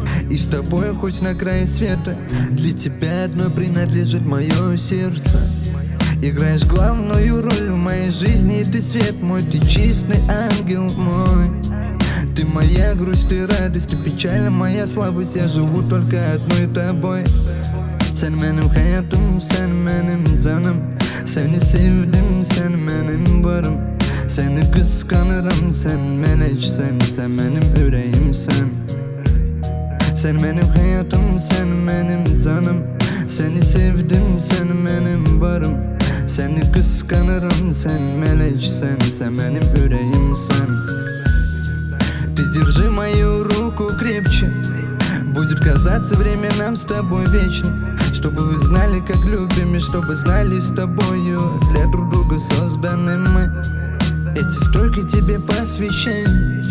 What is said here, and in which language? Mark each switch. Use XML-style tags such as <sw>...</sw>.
<ru>И с тобой хоть на край света. Для тебя одно принадлежит мое сердце. Играешь главную роль в моей жизни. Ты свет мой, ты чистый ангел мой. Ты моя грусть, ты радость, ты печаль, моя слабость. Я живу только одной тобой.</ru> <tr>Sen benim hayatım, sen benim canım. Seni sevdim, sen benim barım. Seni kıskanırım, sen meleç, sen benim yüreğim, sen. Sen benim hayatım, sen benim canım. Seni sevdim, sen benim barım. Seni kıskanırım, sen meleç, sen benim yüreğim, sen.</tr> <ru>Ты держи мою руку крепче. Будет казаться время нам с тобой вечным. Чтобы вы знали, как любим, и чтобы знали с тобою. Для друг друга созданы мы. Эти строки тебе посвящены.</ru>